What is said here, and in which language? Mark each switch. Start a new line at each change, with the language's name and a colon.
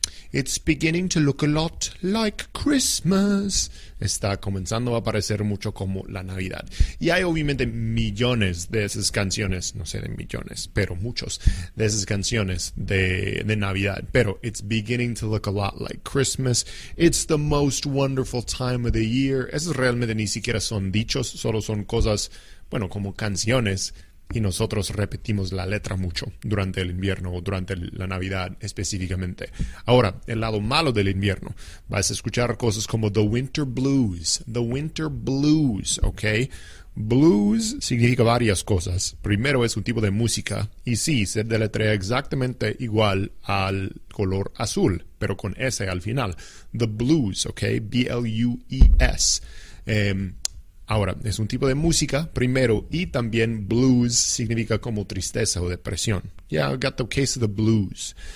English: It's beginning to look a lot like Christmas.
Spanish: Está comenzando a parecer mucho como la Navidad. Y hay obviamente millones de esas canciones, no sé de millones, pero muchos de esas canciones de Navidad.
English: Pero it's beginning to look a lot like Christmas. It's the most wonderful time of the year.
Spanish: Esos realmente ni siquiera son dichos, solo son cosas, bueno, como canciones. Y nosotros repetimos la letra mucho durante el invierno o durante la Navidad específicamente. Ahora, el lado malo del invierno. Vas a escuchar cosas como
English: the winter blues. The winter blues,
Spanish: ¿ok? Blues significa varias cosas. Primero, es un tipo de música. Y sí, se deletrea exactamente igual al color azul, pero con S al final. The blues, ¿ok? B-L-U-E-S. Ahora, es un tipo de música, primero, y también blues significa como tristeza o depresión.
English: Yeah, I got the case of the blues.